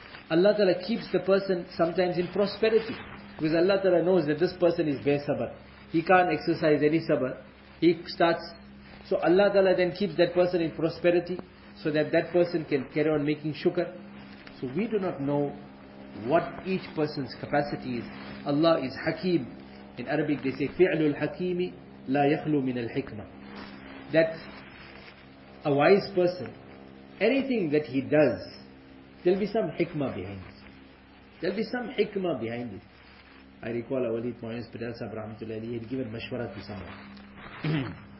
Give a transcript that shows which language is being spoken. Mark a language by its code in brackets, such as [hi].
[en] Allah ta'ala keeps the person sometimes in prosperity because Allah ta'ala knows that this person is bare sabr. He can't exercise any sabr. He starts. So Allah ta'ala then keeps that person in prosperity so that that person can carry on making shukr. So we do not know what each person's capacity is. Allah is Hakim. In Arabic they say, [ar] فِعْلُ الْحَكِيمِ لَا يَخْلُو مِنَ الْحِكْمَةِ. [en] That a wise person, anything that he does, there'll be some hikmah behind it. There'll be some hikmah behind it. I recall Awalid Mu'ayyaz Patel Sahib Rahmatullah Ali, he had given mashwara to someone.